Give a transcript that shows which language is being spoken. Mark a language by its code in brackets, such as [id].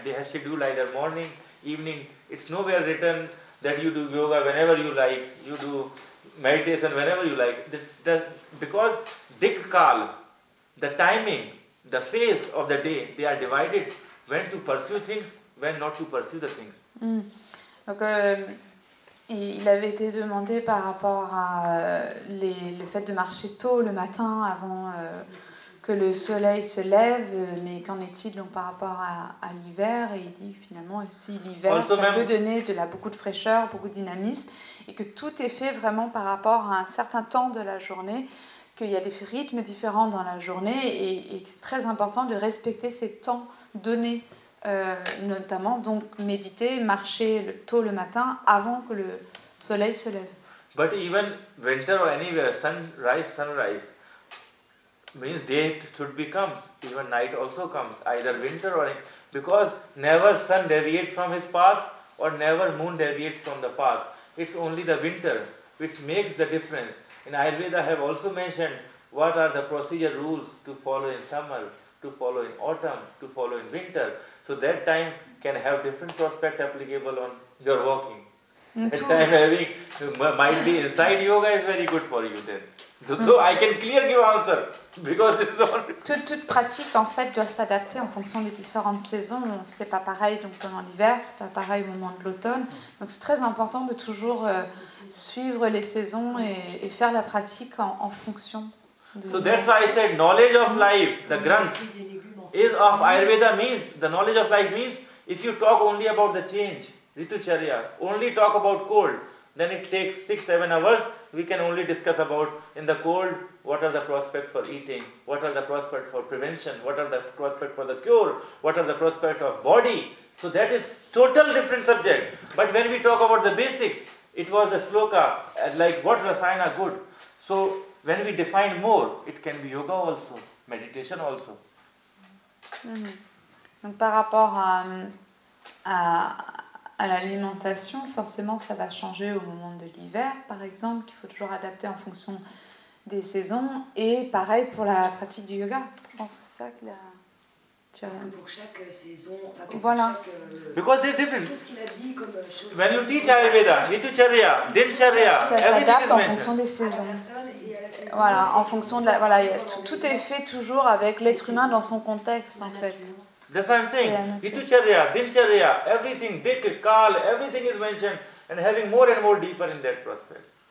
[en] They have schedule either morning, evening. It's nowhere written that you do yoga whenever you like, you do meditation whenever you like. Because dik kal, the timing, the phase of the day, they are divided when to pursue things, when not to pursue the things. [fr] Donc, il avait été demandé par rapport à le fait de marcher tôt le matin avant que le soleil se lève, mais qu'en est-il donc par rapport à l'hiver? Et il dit finalement aussi l'hiver, [en] also, [fr] ça même, peut donner beaucoup de fraîcheur, beaucoup de dynamisme, et que tout est fait vraiment par rapport à un certain temps de la journée, qu'il y a des rythmes différents dans la journée, et c'est très important de respecter ces temps donnés, notamment donc méditer, marcher tôt le matin avant que le soleil se lève. [en] But even winter or anywhere, sunrise. Means day should be comes, even night also comes, either winter or because never sun deviates from his path or never moon deviates from the path. It's only the winter which makes the difference. In Ayurveda I have also mentioned what are the procedure rules to follow in summer, to follow in autumn, to follow in winter. So that time can have different prospect applicable on your walking. That time having might be inside yoga is very good for you then. So I can clearly give answer because it's all. [fr] Toute pratique en fait doit s'adapter en fonction des différentes saisons. C'est pas pareil donc pendant l'hiver, c'est pas pareil au moment de l'automne. Donc c'est très important de toujours suivre les saisons et faire la pratique en fonction. [en] So that's why I said knowledge of life, the granth, is of Ayurveda means, the knowledge of life means, if you talk only about the change, Ritucharya, only talk about cold, then it takes 6-7 hours, we can only discuss about in the cold, what are the prospects for eating, what are the prospects for prevention, what are the prospects for the cure, what are the prospects of body. So that is total different subject. But when we talk about the basics, it was the sloka, like what rasayana good. So when we define more, it can be yoga also, meditation also. Mm-hmm. [fr] Donc par rapport à l'alimentation, forcément ça va changer au moment de l'hiver, par exemple, qu'il faut toujours adapter en fonction des saisons. Et pareil pour la pratique du yoga. Je pense que c'est ça que la... Pour chaque saison, [en] because they're different. [fr] Tout ce qu'il a dit comme chose, [en] when you teach Ayurveda, Ritucharya, Dincharya, everything is mentioned. [fr] En fonction des saisons. Voilà, en fonction de la, voilà, tout est fait toujours avec l'être humain dans son contexte, en fait. [en] That's what I'm saying. Ritucharya, Dincharya, everything, Dik, Kal, everything is mentioned, and having more and more deeper in that prospect.